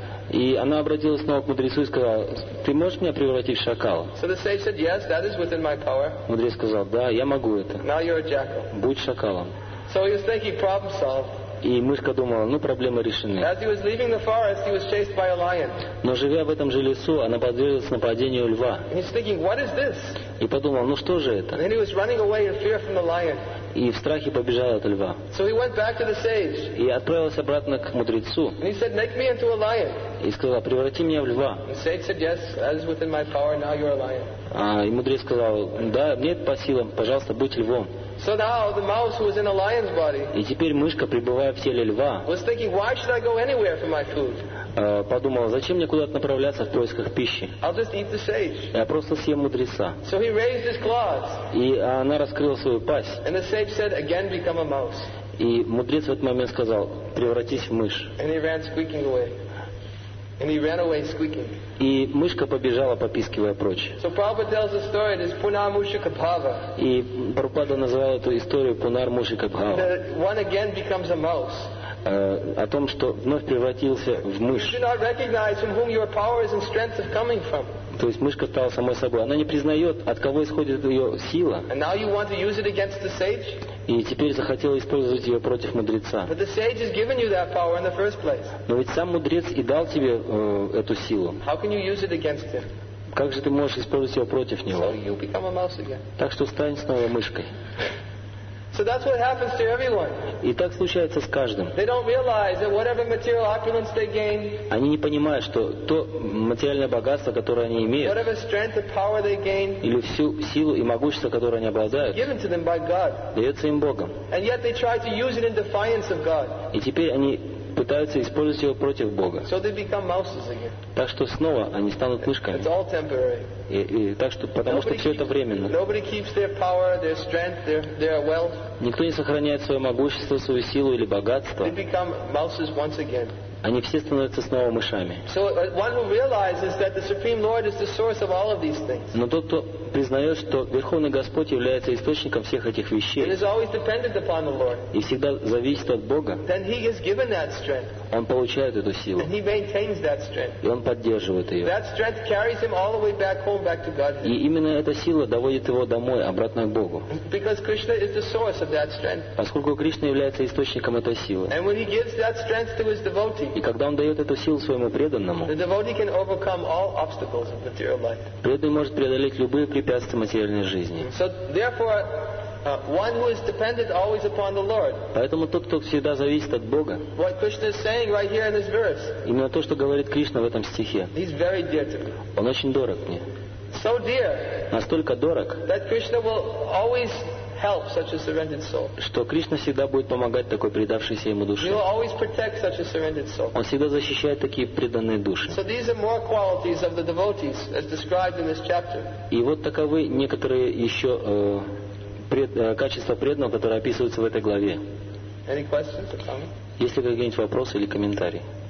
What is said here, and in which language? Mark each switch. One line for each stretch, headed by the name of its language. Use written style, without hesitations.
Russian: И она обратилась снова к мудрецу и сказала, ты можешь меня превратить в шакала?
English: So the sage said, yes, that is within my power.
Russian: Мудрец сказал, да, я могу это.
English: Now you're a jackal.
Russian: Будь шакалом.
English: So he was thinking, problem solved.
Russian: И мышка думала, ну, проблемы решены.
English: As he was leaving the forest, he was chased by a lion.
Russian: Но живя в этом же лесу, она подверглась нападению льва.
English: And he's thinking, what is this?
Russian: И подумал, ну что же это?
English: And then he was running away in fear from the lion.
Russian: И в страхе побежал от льва.
English: So he went back to the sage.
Russian: И отправился обратно к мудрецу.
English: And he said, make me into a lion.
Russian: И сказал, преврати меня в льва.
English: And the sage said, yes, that is within my power, now you're a lion.
Russian: И мудрец сказал, да, мне это по силам, пожалуйста, будь львом.
English: So now the mouse was in a lion's body.
Russian: И теперь мышка, пребывая в теле льва,
English: was thinking, why should I go anywhere for my food?
Russian: Подумала, зачем мне куда-то направляться в поисках пищи?
English: I'll just eat the sage.
Russian: Я просто съем мудреца.
English: So he raised his claws.
Russian: И она раскрыла свою пасть.
English: And the sage said, again become a mouse.
Russian: И мудрец в этот момент сказал, превратись в мышь.
English: And he ran squeaking away. And he ran away squeaking.
Russian: И мышка побежала, попискивая прочь.
English: So Prabhupada tells a story, it is Punar Mushika Bhava.
Russian: И Прабхупада называл эту историю Пунар Мушика Бхава.
English: One again becomes a mouse.
Russian: О том, что вновь превратился в мышь.
English: You do not recognize from whom your powers and strength are coming from.
Russian: То есть мышка стала самой собой. Она не признает, от кого исходит ее сила.
English: And now you want to use it against the sage?
Russian: И теперь захотела использовать ее против мудреца.
English: But the sage has given you that power in the first place.
Russian: Но ведь сам мудрец и дал тебе эту силу.
English: How can you use it against him?
Russian: Как же ты можешь использовать ее против него?
English: So you become a mouse again.
Russian: Так что стань снова мышкой.
English: So that's what happens to everyone.
Russian: И так случается с каждым.
English: They don't realize that whatever material opulence they gain,
Russian: они не понимают, что то материальное богатство, которое они имеют,
English: whatever strength or power they gain,
Russian: или всю силу и могущество, которое они обладают,
English: given to them by God,
Russian: дается им Богом.
English: And yet they try to use it in defiance of God.
Russian: И теперь они пытаются использовать его против Бога.
English: So they become mouses again.
Russian: Так что снова они станут мышками.
English: It's all temporary.
Russian: Потому что все это временно.
English: Nobody keeps their power, their strength, their wealth.
Russian: Никто не сохраняет свое могущество, свою силу или богатство.
English: They become mouses once again.
Russian: Они все становятся снова мышами.
English: So one who realizes that the Supreme Lord is the source of all of these things.
Russian: Но тот, кто признает, что Верховный Господь является источником всех этих вещей,
English: and is always dependent upon the Lord,
Russian: и всегда зависит от Бога,
English: then he is given that strength.
Russian: Он получает эту силу.
English: And he maintains that strength.
Russian: И он поддерживает ее.
English: That strength carries him all the way back home, back to God.
Russian: И именно эта сила доводит его домой, обратно к Богу.
English: Because Krishna is the source of that strength.
Russian: Поскольку Кришна является источником этой силы.
English: And when he gives that strength to his devotee,
Russian: и когда он дает эту силу своему преданному,
English: the devotee can overcome all obstacles of material life.
Russian: Преданный может преодолеть любые препятствия материальной жизни.
English: So therefore, one who is dependent always upon the Lord.
Russian: Поэтому тот, кто всегда зависит от Бога.
English: What Krishna is saying right here in this verse.
Russian: Именно то, что говорит Кришна в этом стихе.
English: He's very dear to me.
Russian: Он очень дорог мне.
English: So dear.
Russian: Настолько дорог.
English: That Krishna will always help such a surrendered soul.
Russian: Что Кришна всегда будет помогать такой предавшейся ему душе.
English: He will always protect such a surrendered soul.
Russian: Он всегда защищает такие преданные души.
English: So these are more qualities of the devotees as described in this chapter.
Russian: И вот таковы некоторые еще качества преданного, которые описываются в этой главе.
English: Any questions or comments?
Russian: Есть ли какие-нибудь вопросы или комментарии?